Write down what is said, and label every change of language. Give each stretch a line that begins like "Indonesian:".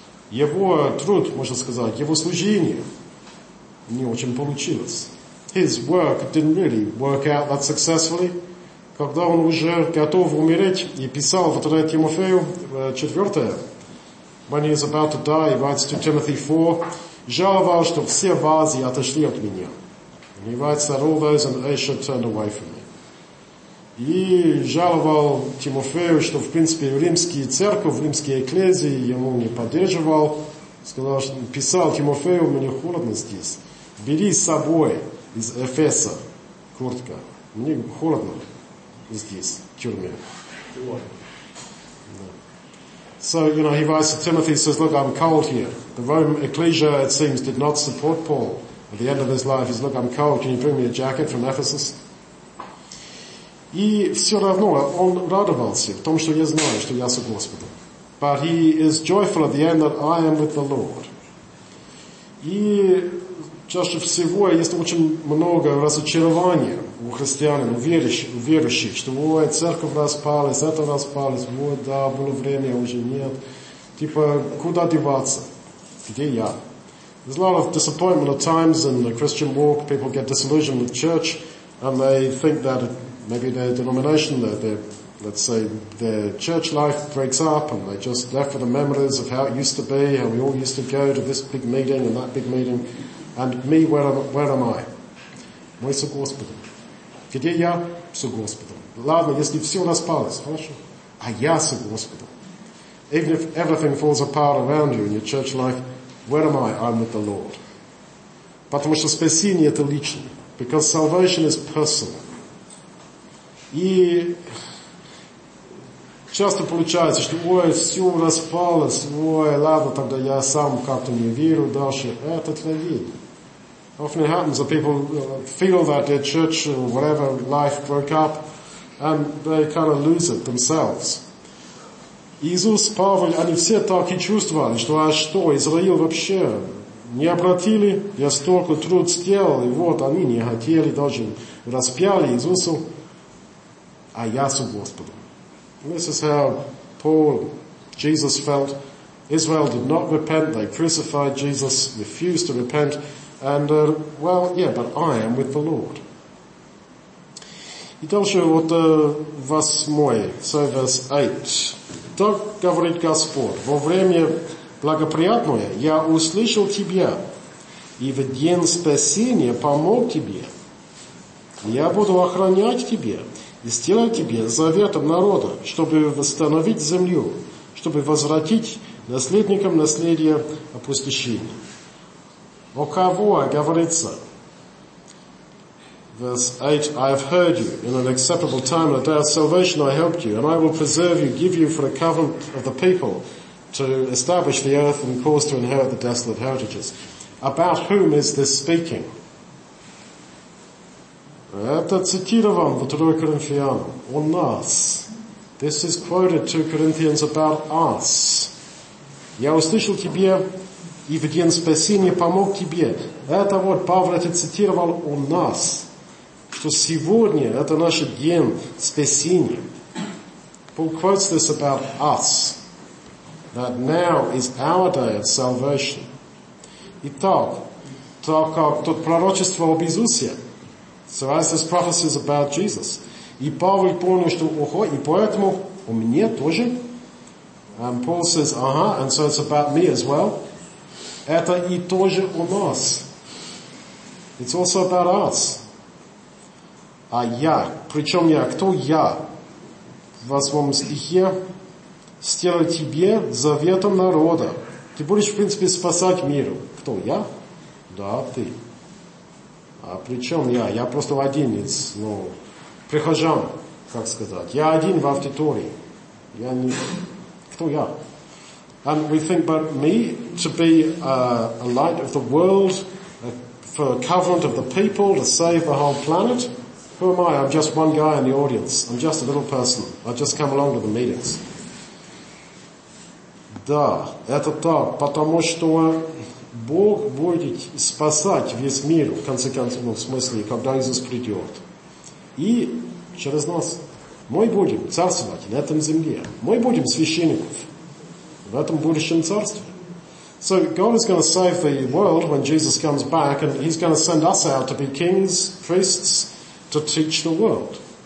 Russian: Его труд, можно сказать, его служение не очень получилось.
English: His work didn't really work out that successfully.
Russian: Когда он уже готов умереть и писал в 3 Тимофею 4,
English: when he is about to die, he writes to Timothy 4,
Russian: «Жаловал, что все в Азии отошли от меня».
English: And he writes that all those in Asia turned away from me.
Russian: И жаловал Тимофею, что, в принципе, римские церковь, римские экклезии ему не поддерживал. Сказал, что писал Тимофею, мне холодно здесь. Бери с собой из Эфеса куртка. Мне холодно здесь, в тюрьме.
English: No. So, you know, he writes to Timothy, says, look, I'm cold here. The Rome Ecclesia, it seems, did not support Paul at the end of his life. He says, look, I'm cold. Can you bring me a jacket from Ephesus?
Russian: И все равно он радовался в том, что я знаю, что я с Господом.
English: But he is joyful at the end that I am with the Lord.
Russian: И чаще всего есть очень много разочарования у христиан, у верующих, что ой, церковь распалась, это распалось, ой, да, было время, уже нет. Типа, куда деваться? Где я?
English: There's a lot of disappointment at times in the Christian walk. People get disillusioned with church and they think that maybe their denomination, their church life breaks up and they just left with the memories of how it used to be, how we all used to go to this big meeting and that big meeting. And me, where am I?
Russian: Мы с Господом. Где я? С Господом. Ладно, если все распалось, хорошо. А я с Господом.
English: Even if everything falls apart around you in your church life, where am I? I'm with the Lord.
Russian: Потому что спасение это личное.
English: Because salvation is personal.
Russian: И часто получается, что ой, все распалось, ой, ладно, тогда я сам как-то не верю дальше. Это тревога.
English: Often it happens that people feel that their church or whatever life broke up and they kind of lose it themselves.
Russian: Иисус, Павел, они все так и чувствовали, что а что, Израиль вообще не обратили, я столько труд сделал, и вот они не хотели, даже распяли Иисусу, а я с Господом.
English: This is how Paul, Jesus felt, Israel did not repent, they crucified Jesus, refused to repent, and, well, yeah, but I am with the Lord.
Russian: И дальше вот восьмой,
English: so verse 8.
Russian: Так говорит Господь, во время благоприятное я услышал тебя, и в день спасения помог тебе. Я буду охранять тебя и сделаю тебе заветом народа, чтобы восстановить землю, чтобы возвратить наследникам наследие опустошения. О кого говорится?
English: Verse 8, I have heard you in an acceptable time, in a day of salvation I helped you, and I will preserve you, give you for a covenant of the people to establish the earth and cause to inherit the desolate heritages. About whom is this speaking?
Russian: Это цитирован в 2 Коринфянам. О нас.
English: This is quoted 2 Corinthians about us.
Russian: Я услышал тебе, и в день спасения помог тебе. Это вот Павел это цитировал о нас. Что сегодня это наш день спасения.
English: Paul quotes this about us. That now is our day of salvation.
Russian: Итак, так как тут пророчество об Иисусе.
English: So as this prophecy is about Jesus.
Russian: И Павел понял, что ого, и поэтому у меня тоже.
English: And Paul says, and so it's about me as well.
Russian: Это и тоже у нас.
English: It's also about us.
Russian: А я, причем я, кто я? В восьмом стихе, сделаю тебе заветом народа. Ты будешь, в принципе, спасать миру. Кто, я? Да, ты. А причем я? Я просто один из, ну, прихожан, как сказать. Я один в аудитории. Я не... Кто я?
English: And we think about me to be a light of the world, for a covenant of the people, to save the whole planet. Who am I? I'm just one guy in the audience. I'm just a little person. I just come along to the meetings.
Russian: Да, это так, потому что Бог будет спасать весь мир, в конце концов, ну, в смысле, когда Иисус придет. И через нас мы будем царствовать на этом земле. Мы будем священников в этом будущем царстве.
English: So God is going to save the world when Jesus comes back, and he's going to send us out to be kings, priests, to teach the world.